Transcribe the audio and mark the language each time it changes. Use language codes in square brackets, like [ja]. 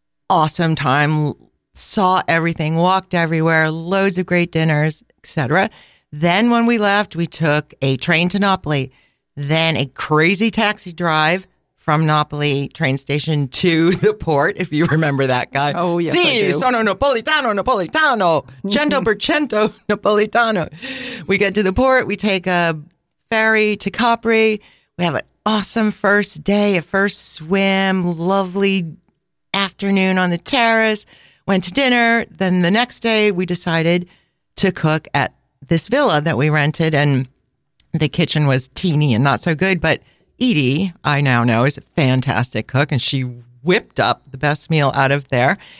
[en] Awesome time. Saw everything, walked everywhere, loads of great dinners, etc. Then when we left, we took a train to Napoli, then a crazy taxi drive from Napoli train station to the port, if you remember that guy. Oh, yes, [it] si, [en] I do. [it] Sono Napolitano, Napolitano, 100% Napolitano. [en] We get to the port, we take a ferry to Capri, we have an awesome first day, a first swim, lovely afternoon on the terrace, went to dinner. Then the next day, we decided to cook at this villa that we rented, and the kitchen was teeny and not so good, but Edie, I now know, is a fantastic cook, and she whipped up the best meal out of there.